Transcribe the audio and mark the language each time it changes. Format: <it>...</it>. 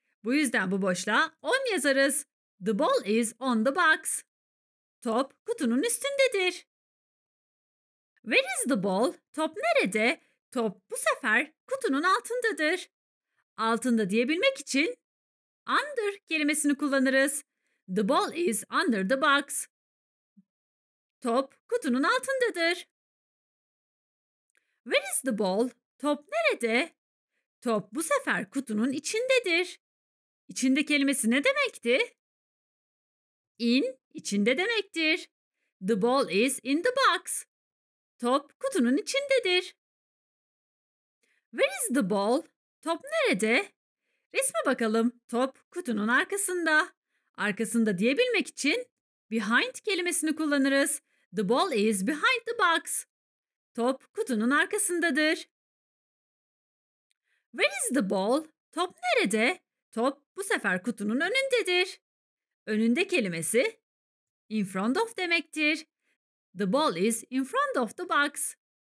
<tr>Bu yüzden bu boşluğa on yazarız.</tr> <en>The ball is on the box.</en> <tr>Top kutunun üstündedir.</tr> <en>Where is the ball?</en> <tr>Top nerede? Top bu sefer kutunun altındadır. Altında diyebilmek için under kelimesini kullanırız.</tr> <en>The ball is under the box.</en> <tr>Top kutunun altındadır.</tr> <en>Where is the ball?</en> <tr>Top nerede? Top bu sefer kutunun içindedir. İçinde kelimesi ne demekti?</tr> <en>In,</en> <tr>içinde demektir.</tr> <en>The ball is in the box.</en> <tr>Top kutunun içindedir.</tr> <en>Where is the ball?</en> <tr>Top nerede? Resme bakalım. Top kutunun arkasında. Arkasında diyebilmek için behind kelimesini kullanırız.</tr> <en>The ball is behind the box.</en> <tr>Top kutunun arkasındadır.</tr> <en>Where is the ball?</en> <tr>Top nerede? Top bu sefer kutunun önündedir. Önünde kelimesi in front of demektir.</tr> <en>The ball is in front of the box.</en>